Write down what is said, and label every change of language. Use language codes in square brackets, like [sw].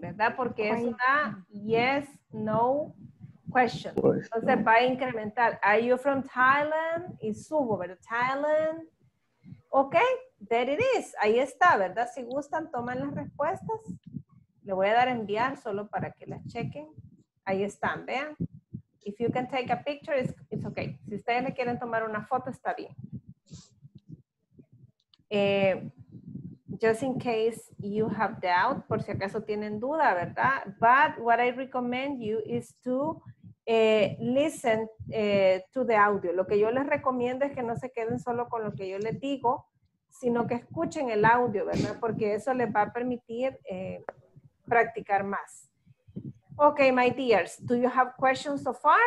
[es] ¿verdad? Porque es una yes, no question. Entonces va a incrementar. [en] Are you from Thailand? [es] Y subo, ¿verdad? Thailand. [en] Ok, there it is. [es] Ahí está, ¿verdad? Si gustan, toman las respuestas. Le voy a dar a enviar solo para que las chequen. Ahí están, vean. [en] If you can take a picture, it's okay. [es] Si ustedes le quieren tomar una foto, está bien. [en] Just in case you have doubt, [es] por si acaso tienen duda, ¿verdad? [en] But what I recommend you is to listen to the audio. [es] Lo que yo les recomiendo es que no se queden solo con lo que yo les digo, sino que escuchen el audio, ¿verdad? Porque eso les va a permitir practicar más. [en] Okay, my dears, do you have questions so far?